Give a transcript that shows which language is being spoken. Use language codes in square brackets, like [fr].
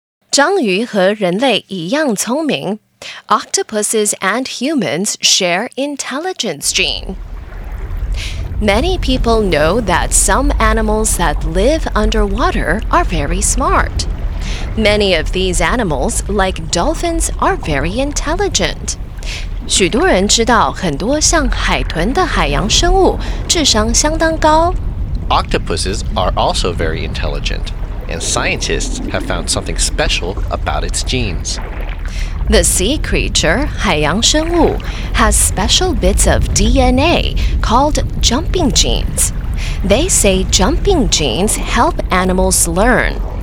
[zh] 章鱼和人类一样聪明。 [en] Octopuses and humans share intelligence gene. Many people know that some animals that live underwater are very smart. Many of these animals, like dolphins, are very intelligent. [zh] 许多人知道很多像海豚的海洋生物智商相当高。 [en] Octopuses are also very intelligent, and scientists have found something special about its genes. The sea creature, 海洋生物, has special bits of DNA called jumping genes. They say jumping genes help animals learn.